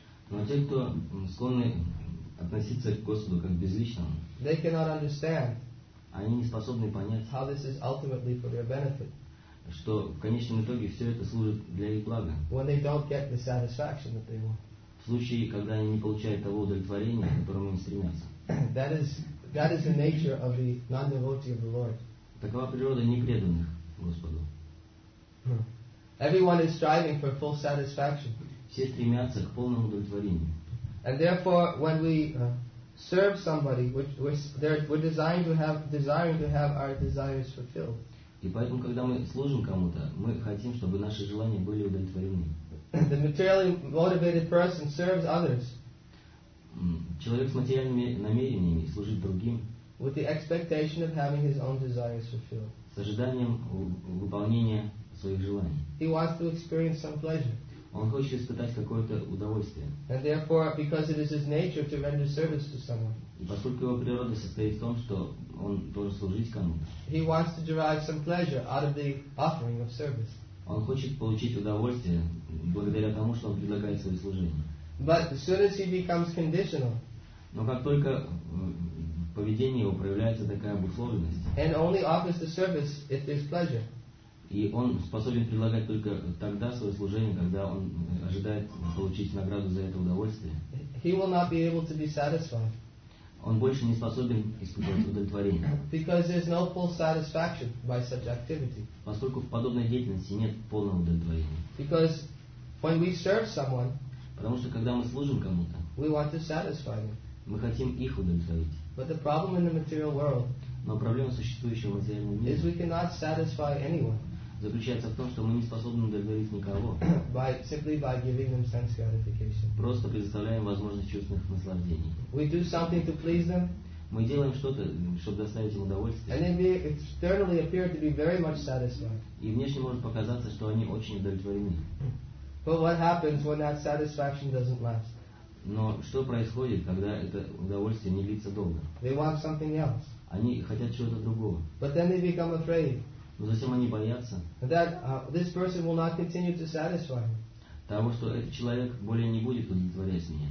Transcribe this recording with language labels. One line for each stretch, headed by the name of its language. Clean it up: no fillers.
Russian: но те, кто склонны относиться к Господу как безличному,
English: they cannot understand,
Russian: они не способны понять,
English: how this is ultimately for their benefit,
Russian: что в конечном итоге все это служит для их блага.
English: When they don't get the satisfaction that they want,
Russian: в случае, когда они не получают того удовлетворения, к которому они стремятся.
English: That is the nature of the non-devotee of the Lord.
Russian: Такова природа непреданных Господу.
English: Everyone is striving for full satisfaction.
Russian: Все стремятся к полному удовлетворению.
English: And therefore, when we serve somebody, we're desiring to have our desires fulfilled.
Russian: И поэтому, когда мы служим кому-то, мы хотим, чтобы наши желания были удовлетворены.
English: The materially motivated person serves others.
Russian: Человек с материальными намерениями служит другим.
English: With the expectation of having his own desires fulfilled.
Russian: С ожиданием выполнения своих желаний.
English: He wants to experience some pleasure.
Russian: Он хочет испытать какое-то удовольствие.
English: And therefore, because it is his nature to render service to someone.
Russian: И поскольку его природа состоит в том, что он должен служить кому-то.
English: He wants to derive some pleasure out of the offering of service.
Russian: Он хочет получить удовольствие благодаря тому, что он предлагает свои служения.
English: But as soon as he becomes conditional,
Russian: но как только поведение его проявляется такая обусловленность,
English: and only offers the service if there's pleasure,
Russian: и он способен предлагать только тогда свое служение, когда он ожидает получить награду за это удовольствие,
English: he will not be able to be satisfied.
Russian: Он больше не способен испытывать удовлетворение.
English: Because there's no full satisfaction by such activity.
Russian: Поскольку в подобной деятельности нет полного удовлетворения.
English: Because when we serve someone,
Russian: потому что когда мы служим кому-то,
English: we want to satisfy them.
Russian: Мы хотим их удовлетворить.
English: But the problem in the material world,
Russian: но проблема существующего в материальном мире,
English: is we cannot satisfy anyone.
Russian: заключается в том, что мы не способны удовлетворить никого.
English: By giving them sense gratification.
Russian: Просто предоставляем возможность чувственных наслаждений.
English: We do something to please them.
Russian: Мы делаем что-то, чтобы доставить им удовольствие.
English: And they externally appear to be very much satisfied.
Russian: И внешне может показаться, что они очень удовлетворены.
English: But what happens when that satisfaction doesn't last?
Russian: Но что происходит, когда это удовольствие не длится долго?
English: They want something else.
Russian: Они хотят чего-то другого.
English: But then they become afraid.
Russian: Но затем они боятся.
English: That this person will not continue to satisfy me.
Russian: Того, что этот человек более не будет удовлетворять меня.